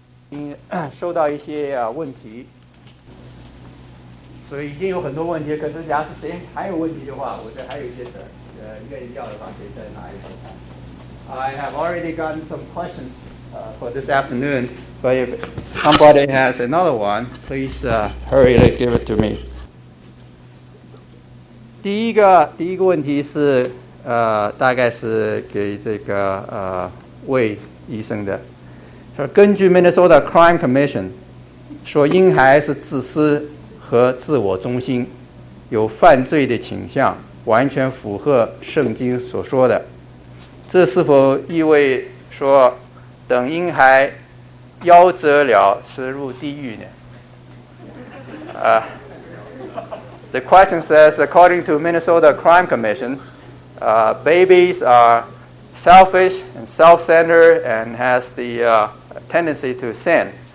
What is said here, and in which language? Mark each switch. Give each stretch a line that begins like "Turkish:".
Chinese: 你收到一些问题，所以已经有很多问题。可是，假如时间还有问题的话，我这还有一些愿意要的话，可以再拿一份看。
English: I have already gotten some questions for this afternoon, but if somebody has another one, please hurry and give it to me.
Chinese: 第一个问题是，大概是给这个魏医生的。说根据 Minnesota Crime Commission 说，婴孩是自私和自我中心，有犯罪的倾向，完全符合圣经所说的。这是否意味说，等婴孩夭折了是入地狱呢？
English: The question says, according to Minnesota Crime Commission, babies are selfish and self-centered and has the tendency to sin.